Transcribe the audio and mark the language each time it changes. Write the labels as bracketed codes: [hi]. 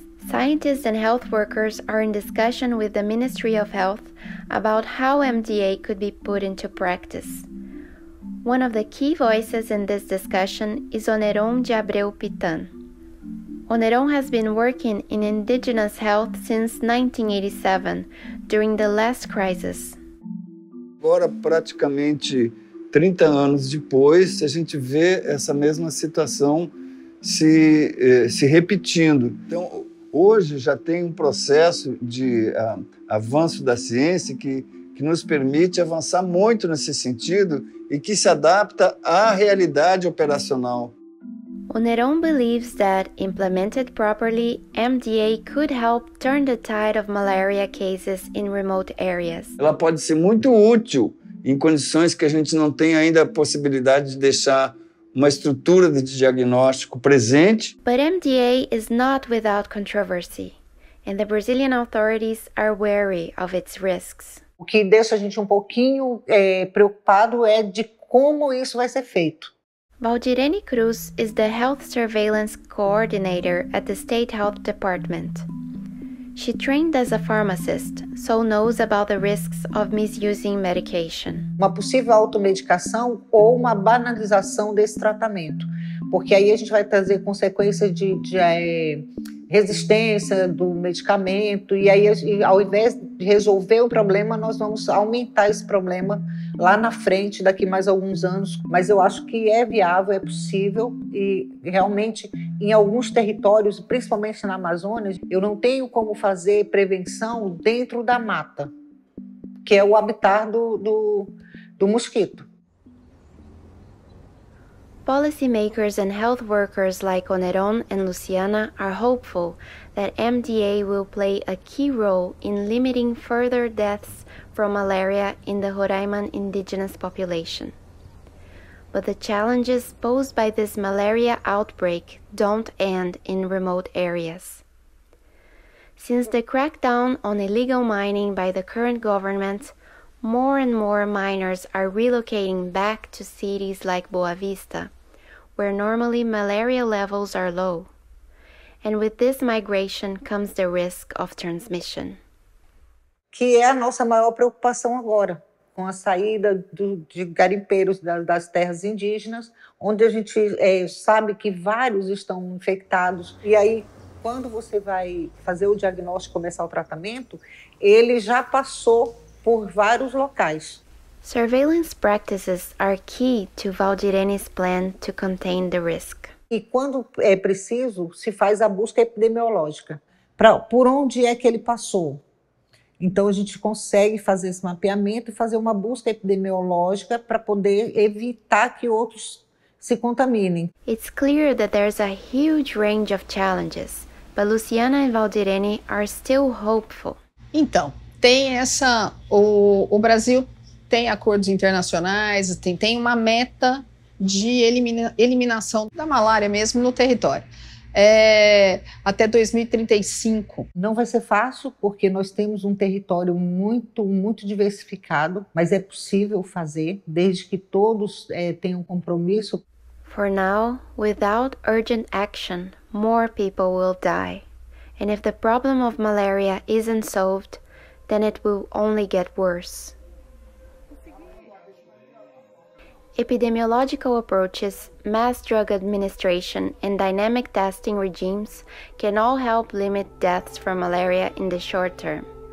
[en] Scientists and health workers are in discussion with the Ministry of Health about how MDA could be put into practice. One of the key voices in this discussion is Oneron de Abreu Pitan. Oneron has been working in indigenous health since 1987, during the last crisis. [pt] Agora, praticamente 30 anos depois, a gente vê essa mesma situação se repetindo. Então, hoje já tem um processo de avanço da ciência que nos permite avançar muito nesse sentido e que se adapta à realidade operacional. [en] Oneron believes that, implemented properly, MDA could help turn the tide of malaria cases in remote areas. [pt] Ela pode ser muito útil em condições que a gente não tem ainda a possibilidade de deixar uma estrutura de diagnóstico presente. [en] But MDA is not without controversy, and the Brazilian authorities are wary of its risks. [pt] O que deixa a gente um pouquinho preocupado é de como isso vai ser feito. [en] Valdirene Cruz is the Health Surveillance Coordinator at the State Health Department. She trained as a pharmacist, so knows about the risks of misusing medication. [pt] Uma possível automedicação ou uma banalização desse tratamento, porque aí a gente vai trazer consequências de resistência do medicamento, e aí ao invés de resolver o problema, nós vamos aumentar esse problema lá na frente, daqui mais alguns anos. Mas eu acho que é viável, é possível, e realmente em alguns territórios, principalmente na Amazônia, eu não tenho como fazer prevenção dentro da mata, que é o habitat do mosquito. [en] Policymakers and health workers like Oneron and Luciana are hopeful that MDA will play a key role in limiting further deaths from malaria in the Roraiman indigenous population. But the challenges posed by this malaria outbreak don't end in remote areas. Since the crackdown on illegal mining by the current government, more and more miners are relocating back to cities like Boa Vista, where normally malaria levels are low. And with this migration comes the risk of transmission. [pt] Que é a nossa maior preocupação agora, com a saída de garimpeiros das terras indígenas, onde a gente sabe que vários estão infectados. E aí, quando você vai fazer o diagnóstico, começar o tratamento, ele já passou por vários locais. [en] Surveillance practices are key to Valdirene's plan to contain the risk. [pt] E quando é preciso, se faz a busca epidemiológica. Por onde é que ele passou? Então a gente consegue fazer esse mapeamento e fazer uma busca epidemiológica para poder evitar que outros se contaminem. [en] It's clear that there's a huge range of challenges, but Luciana and Valdirene are still hopeful. [pt] Então, tem essa... O Brasil tem acordos internacionais, tem uma meta de eliminação da malária mesmo no território. Até 2035. Não vai ser fácil, porque nós temos um território muito, muito diversificado, mas é possível fazer, desde que todos tenham compromisso. [en] For now, without urgent action, more people will die. And if the problem of malaria isn't solved, then it will only get worse. Epidemiological approaches, mass drug administration, and dynamic testing regimes can all help limit deaths from malaria in the short term.